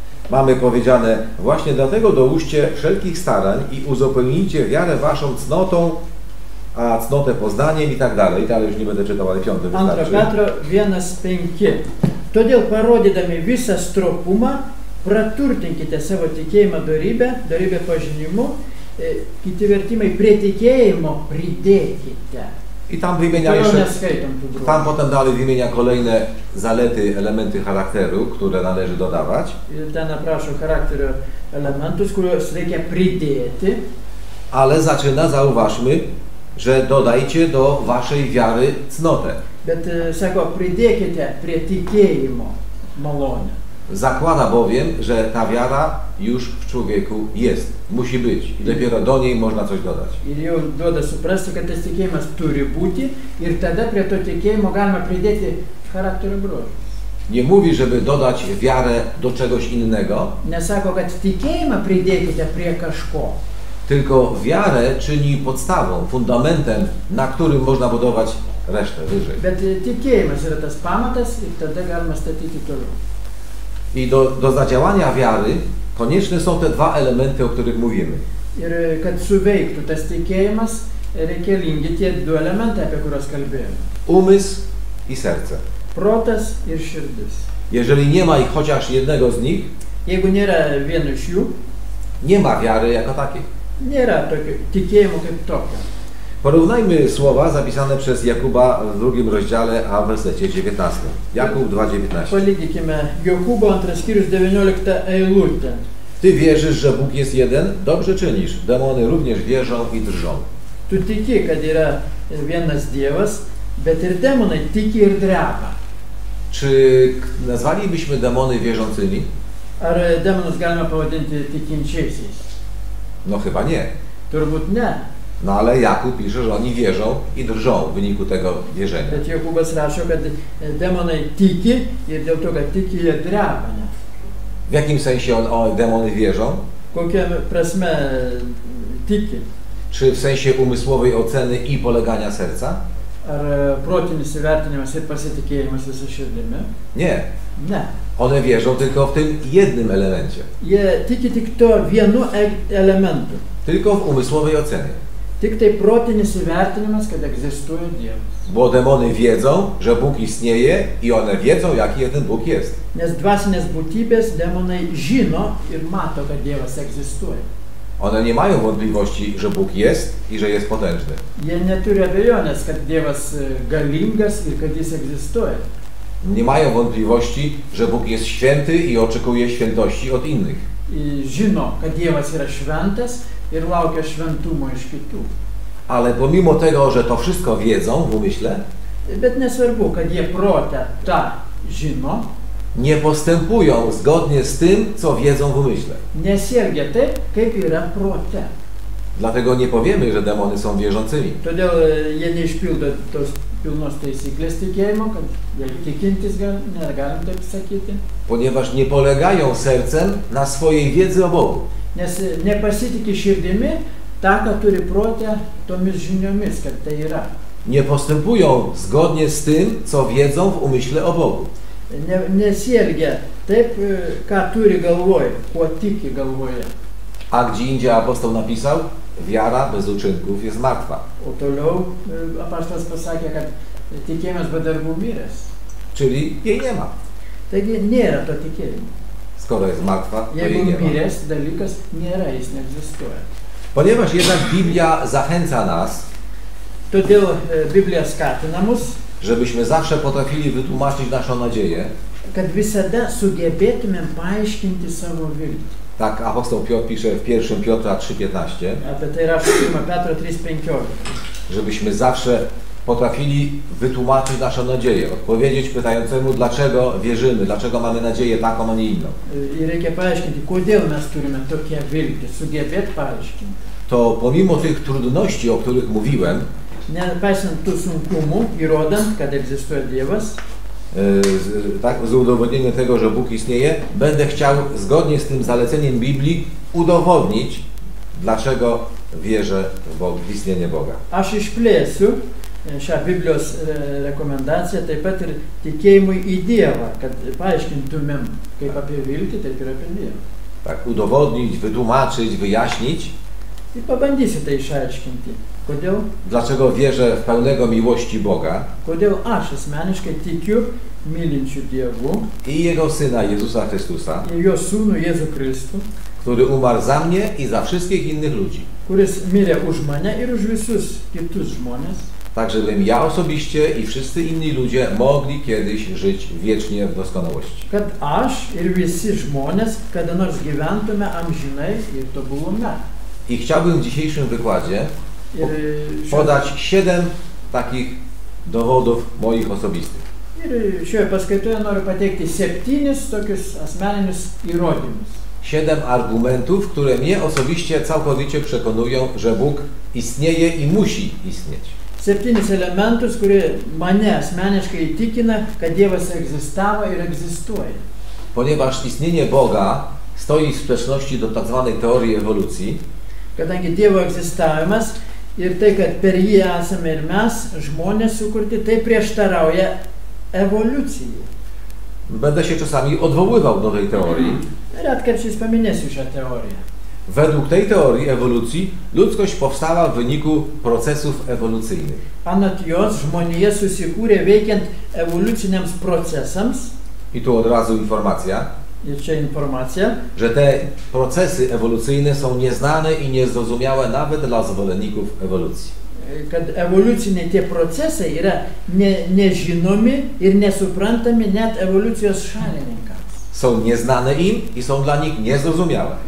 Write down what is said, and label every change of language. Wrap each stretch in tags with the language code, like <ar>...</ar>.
<pl>Mamy powiedziane, właśnie dlatego dołóżcie wszelkich starań i uzupełnijcie wiarę waszą cnotą, a cnotę poznaniem i tak dalej. I dalej już nie będę czytał, ale piąty wystarczy.</pl> <lt>2 Petro 1:5. Todėl parodydami visą stropumą, praturtinkite savo tikėjimą dorybę pažinimu, kiti vertimai prie tikėjimo pridėkite.</lt> <pl>I tam wymienia jeszcze, tam potem dalej wymienia kolejne zalety, elementy charakteru, które należy dodawać. Ten napraszał charakter elementu, z którego sobie pridėti. Ale zaczyna, zauważmy, że dodajcie do waszej wiary cnotę.</pl> <lt>Bet sako, pridėkite prie tikėjimo malonę.</lt> <pl>Zakłada bowiem, że ta wiara już w człowieku jest, musi być i dopiero do niej można coś dodać.</pl> <lt>I jau duoda suprasti, kad tas tikėjimas turi būti ir tada prie to tikėjimo galima pridėti charakterio bruožų.</lt> <pl>Nie mówi, żeby dodać wiarę do czegoś innego.</pl> <lt>Nesako, kad tikėjimą pridėkite prie kažko.</lt> <pl>Tylko wiarę czyni podstawą, fundamentem, na którym można budować resztę wyżej.</pl> <lt>Bet tikėjimas yra tas pamatas i tada galima statyti toliau.</lt> <pl>I do zadziałania wiary konieczne są te dwa elementy, o których mówimy.</pl> <lt>Ir kad suveiktų tas tikėjimas, reikalingi tie du elementai, apie kuriuos kalbėjome.</lt> <pl>Umysł i serce.</pl> <lt>Protas ir širdis.</lt> <pl>Jeżeli nie ma ich chociaż jednego z nich,</pl> <lt>jeigu nėra vieno iš jų,</lt> <pl>nie ma wiary jako takiej.</pl> <lt>Nėra tokio tikėjimo kaip tokio.</lt> <pl>Porównajmy słowa zapisane przez Jakuba w drugim rozdziale, a w wersecie 19. Jakub 2:19.</pl> <lt>Palygikime Jakubo 2 skyrius 19 eilutę.</lt> <pl>Ty wierzysz, że Bóg jest jeden? Dobrze czynisz. Demony również wierzą i drżą.</pl> <lt>Tu tiki, kad yra vienas dievas, bet ir demonai tiki ir dreba.</lt> <pl>Czy nazwalibyśmy demony wierzącymi?</pl> <lt>Ar demonus galima pavadinti tikinčiaisiais?</lt> <pl>No chyba nie.</pl> <lt>Turbūt ne.</lt> <pl>No ale Jakub pisze, że oni wierzą i drżą w wyniku tego wierzenia.</pl> <lt>Bet Jakubas rašo, kad demonai tiki ir dėl to, kad tiki, jie dreba.</lt> <pl>W jakim sensie demony wierzą?</pl> <lt>kokia prasme tiki.</lt> <pl>Czy w sensie umysłowej oceny i polegania serca?</pl> <lt>Ar protinis įvertinimas ir pasitikėjimas visą širdimi?</lt> <pl>Nie.</pl> <lt>Ne.</lt> <pl>One wierzą tylko w tym jednym elemencie.</pl> <lt>Je tiki tik to vienu elementu.</lt> <pl>Tylko w umysłowej ocenie.</pl> <lt>Tik tai protinis įvertinimas, kad egzistuje Dievas.</lt> <pl>Bo demony wiedzą, że Bóg istnieje i one wiedzą, jaki jeden Bóg jest.</pl> <lt>Nes dvasinės būtybės demonai žino ir mato, kad Dievas egzistuje.</lt> <pl>One nie mają wątpliwości, że Bóg jest i że jest potężny.</pl> <lt>Jie neturi abejonės, kad Dievas galingas ir kad jis egzistuje.</lt> <pl>Nie mają wątpliwości, że Bóg jest święty i oczekuje świętości od innych.</pl> <lt>I žino, kad Dievas yra šventas ir laukia šventumo iš kitų.</lt> <pl>Ale pomimo tego, że to wszystko wiedzą w umyśle,</pl> <lt>bet nesvarbu, kad jie prote tą žino,</lt> <pl>nie postępują zgodnie z tym, co wiedzą w umyśle.</pl> <lt>Nesielgia taip, kaip yra prote.</lt> <pl>Dlatego nie powiemy, że demony są wierzącymi.</pl> <lt>Todėl jie neišpildo tos pilnos taisyklės tikėjimo, kad jie tikintis negalim taip sakyti.</lt> <pl>Ponieważ nie polegają sercem na swojej wiedzy o Bogu.</pl> <lt>Nes nepasitiki širdimi tą, ką turi protę, tomis žiniomis, kad tai yra.</lt> <pl>Nie postępują zgodnie z tym, co wiedzą w umyśle o Bogu.</pl> <lt>Nesielgia taip, ką turi galvoje, kuo tiki galvoje.</lt> <pl>A gdzie indziej apostoł napisał, wiara bez uczynków jest martwa.</pl> <lt>O toliau apostas pasakė, kad tikėjimas be darbų miręs.</lt> <pl>Czyli jej nie ma.</pl> <lt>Taigi nėra to tikėjimo.</lt> <pl>Skoro jest martwa, to jej nie ma.</pl> <lt>Jeigu miręs, dalykas nėra, jis neegzistuje.</lt> <pl>Ponieważ jednak Biblia zachęca nas,</pl> <lt>todėl Biblia skatina mus,</lt> <pl>żebyśmy zawsze potrafili wytłumaczyć naszą nadzieję,</pl> <lt>kad visada sugebėtumėm paaiškinti savo viltį.</lt> <pl>Tak, apostoł Piotr pisze w 1 Piotra 3:15.</pl> <lt>Apie tai rašo 1 Piotr 3:15.</lt> <pl>Żebyśmy zawsze potrafili wytłumaczyć naszą nadzieję, odpowiedzieć pytającemu, dlaczego wierzymy, dlaczego mamy nadzieję taką, a nie inną.</pl> <lt>I reikia paaiškinti, kodėl mes turime tokią viltį, sugebėt paaiškinti.</lt> <pl>To pomimo tych trudności, o których mówiłem,</pl> <lt>nepaisant tų sunkumų, įrodant, kad egzistuoja Dievas,</lt> <pl>tak, z udowodnienia tego, że Bóg istnieje, będę chciał zgodnie z tym zaleceniem Biblii udowodnić, dlaczego wierzę w istnienie Boga.</pl> <lt>Aš išplėsiu šią Biblijos rekomendaciją taip pat ir tikėjimui į Dievą, kad paaiškintumėm kaip apie viltį, taip ir apie Dievą.</lt> <pl>Tak, udowodnić, wytłumaczyć, wyjaśnić.</pl> <lt>I pabandysiu tai išaiškinti. Kodėl?</lt> <pl>Dlaczego wierzę w pełnego miłości Boga?</pl> <lt>Kodėl aš asmeniškai tikiu mylinčiu Dievu?</lt> <pl>I Jego Syna Jezusa Chrystusa.</pl> <lt>I Jo Sūnų Jėzų Kristų.</lt> <pl>Który umarł za mnie i za wszystkich innych ludzi.</pl> <lt>Kuris mirė už mane ir už visus kitus žmones.</lt> <pl>Tak, żebym ja osobiście i wszyscy inni ludzie mogli kiedyś żyć wiecznie w doskonałości.</pl> <lt>Kad aš ir visi žmones kada nors gyventume amžinai ir tobulume.</lt> <pl>I chciałbym w dzisiejszym wykładzie podać 7 takich dowodów moich osobistych.</pl> <lt>Ir šioje paskaitoje noriu pateikti 7 tokius asmeninius įrodymus.</lt> <pl>7 argumentów, które mnie osobiście całkowicie przekonują, że Bóg istnieje i musi istnieć. 7 elementów, które mnie</pl> <lt>asmeniškai įtikina, kad Dievas egzistavo ir egzistuoja.</lt> <pl>Ponieważ istnienie Boga stoi w sprzeczności do tak zwanej teorii ewolucji,</pl> <lt>kadangi Dievo egzistavimas ir tai, kad per jį esame ir mes, žmonės sukurti, tai prieštarauja evoliucijai.</lt> <pl>Będę się czasami odwoływał do tej teorii.</pl> <lt>Retkarčiais paminėsiu šią teoriją.</lt> <pl>Według tej teorii ewolucji ludzkość powstała w wyniku procesów ewolucyjnych.</pl> <lt>Anot jos, žmonija susikūrė veikiant evoliuciniams procesams.</lt> <pl>I tu od razu informacja. Jeszcze informacja, że te procesy ewolucyjne są nieznane i niezrozumiałe nawet dla zwolenników ewolucji.</pl> <lt>Kad evoliucinė tie procesy yra nežinomi ir nesuprantami net evoliucijos šalininkams.</lt> <pl>Są nieznane im i są dla nich niezrozumiałe.</pl>